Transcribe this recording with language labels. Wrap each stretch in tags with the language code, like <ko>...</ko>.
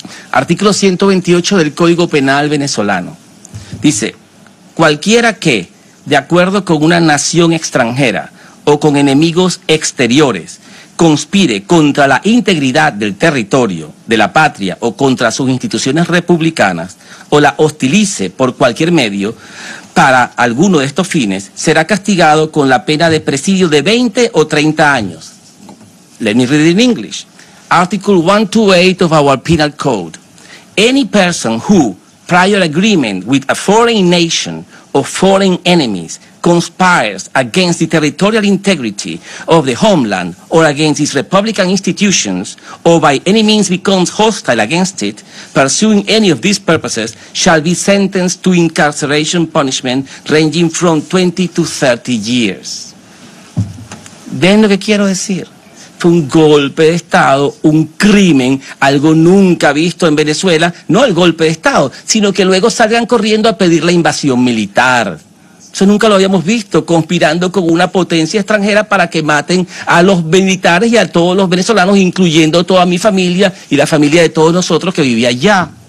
<es>Artículo 128 del Código Penal venezolano. Dice, cualquiera que, de acuerdo con una nación extranjera o con enemigos exteriores, conspire contra la integridad del territorio, de la patria o contra sus instituciones republicanas, o la hostilice por cualquier medio para alguno de estos fines, será castigado con la pena de presidio de 20 o 30 años.</es> <en>Let me read it in English. Article 128 of our penal code. Any person who, prior agreement with a foreign nation or foreign enemies, conspires against the territorial integrity of the homeland or against its republican institutions, or by any means becomes hostile against it, pursuing any of these purposes, shall be sentenced to incarceration punishment ranging from 20 to 30 years.</en> <es>¿Ven lo que quiero decir? Fue un golpe de Estado, un crimen, algo nunca visto en Venezuela. No el golpe de Estado, sino que luego salgan corriendo a pedir la invasión militar. Eso nunca lo habíamos visto, conspirando con una potencia extranjera para que maten a los militares y a todos los venezolanos, incluyendo toda mi familia y la familia de todos nosotros que vivía allá.</es>